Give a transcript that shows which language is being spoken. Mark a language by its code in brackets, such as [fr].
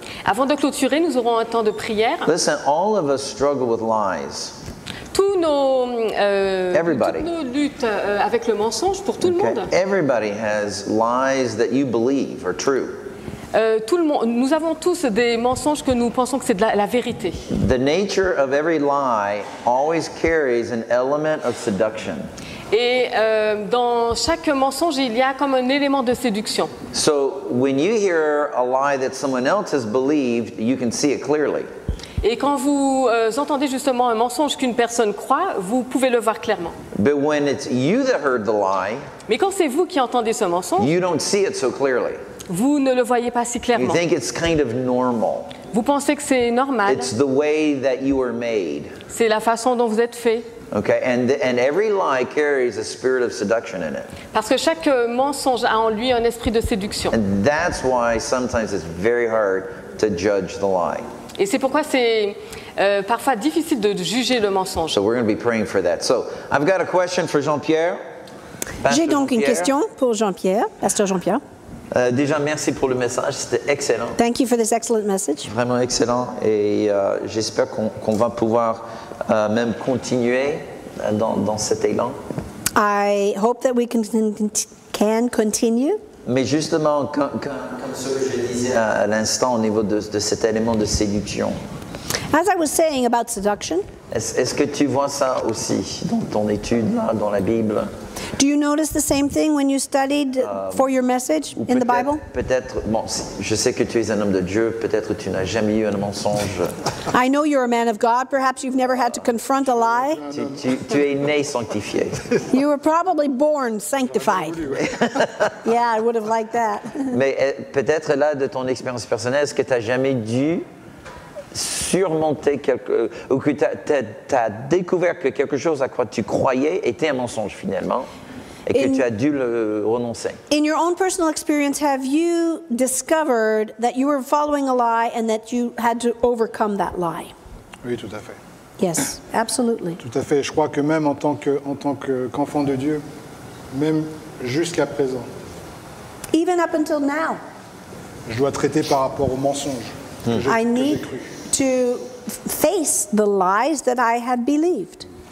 [fr] Avant de clôturer, nous aurons un temps de prière. [en] Listen, all of us struggle with lies. [fr] Toutes nos luttes avec le mensonge pour tout le monde. [en] Everybody has lies that you believe are true. [fr] Nous avons tous des mensonges que nous pensons que c'est de la vérité. [en] The nature of every lie always carries an element of seduction. [fr] Et dans chaque mensonge, il y a comme un élément de séduction. [en] So when you hear a lie that someone else has believed, you can see it clearly. [fr] Et quand vous entendez justement un mensonge qu'une personne croit, vous pouvez le voir clairement. [en] But when it's you that heard the lie, [fr] mais quand c'est vous qui entendez ce mensonge, [en] you don't see it so clearly. [fr] Vous ne le voyez pas si clairement. [en] You think it's kind of normal. [fr] Vous pensez que c'est normal. [en] It's the way that you were made. [fr] C'est la façon dont vous êtes fait. [en] Okay, and every lie carries a spirit of seduction in it. [fr] Parce que chaque mensonge a en lui un esprit de séduction. [en] And that's why sometimes it's very hard to judge the lie. Et c'est pourquoi c'est parfois difficile de juger le mensonge. So we're going to be praying for that. So, I've got a question for Jean-Pierre. [fr] Pastor J'ai donc Jean-Pierre. Une question pour Jean-Pierre, Pasteur Jean-Pierre. Déjà, merci pour le message, c'était excellent. [en] Thank you for this excellent message. [fr] Vraiment excellent. Et j'espère qu'on va pouvoir même continuer dans cet élan. [en] I hope that we can continue. [fr] Mais justement, comme ce que je disais à l'instant au niveau de cet élément de séduction. [en] As I was saying about seduction. [fr] Est-ce que tu vois ça aussi dans ton étude là, dans la Bible? [en] Do you notice the same thing when you studied for your message in the Bible? [fr] Peut-être, bon, je sais que tu es un homme de Dieu, peut-être tu n'as jamais eu un mensonge. [en] I know you're a man of God, perhaps you've never had to confront a lie. [fr] Tu es né sanctifié. [en] You were probably born sanctified. Yeah, I would have liked that. [fr] Mais peut-être là, de ton expérience personnelle, est-ce que tu n'as jamais dû surmonter quelque ou que t'as découvert que quelque chose à quoi tu croyais était un mensonge finalement et que tu as dû le renoncer. [en] In your own personal experience, have you discovered that you were following a lie and that you had to overcome that lie? [fr] Oui, tout à fait. [en] Yes, absolutely. [fr] Tout à fait. Je crois que même en tant que qu'enfant de Dieu, même jusqu'à présent. [en] Even up until now. [fr] Je dois traiter par rapport au mensonge. [en] I need to face the lies that I had believed.